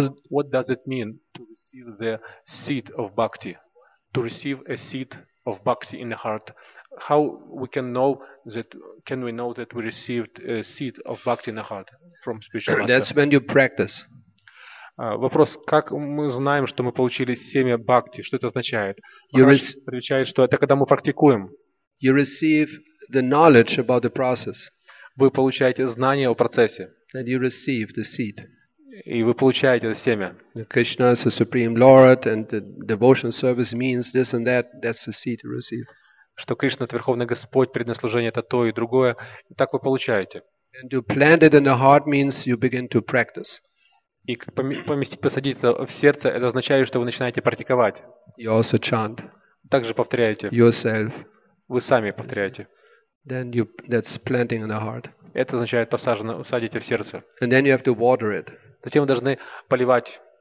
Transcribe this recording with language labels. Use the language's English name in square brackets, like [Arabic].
[English] What does it mean to receive the seed of bhakti? To receive a seed of bhakti in the heart. How we can know that? Can we know that we received a seed of bhakti in the heart from spiritual master? That's when you practice. [Russian] Вопрос: как мы знаем, что мы получили семя бхакти? Что это означает? Махараш отвечает, что это когда мы практикуем. [English] You receive the knowledge about the process. [Russian] вы получаете знание о процессе. [English] And you receive the seed. [Russian] И вы получаете семя. [English] Krishna is the supreme Lord, and the devotion service means this and that. That's the seed you receive. [Russian] Что Кришна это Верховный Господь, предназначение это то и другое. И так вы получаете. [English] And to plant it in the heart means you begin to practice. [Russian] И поместить, посадить это в сердце, это означает, что вы начинаете практиковать. [English] You also chant. [Russian] Также повторяете. [English] Yourself. [Russian] Вы сами повторяете. [English] Then you, that's planting in the heart. [Russian] Это означает посажено, усадите в сердце. [English] And then you have to water it. [Russian] Затем вы должны поливать.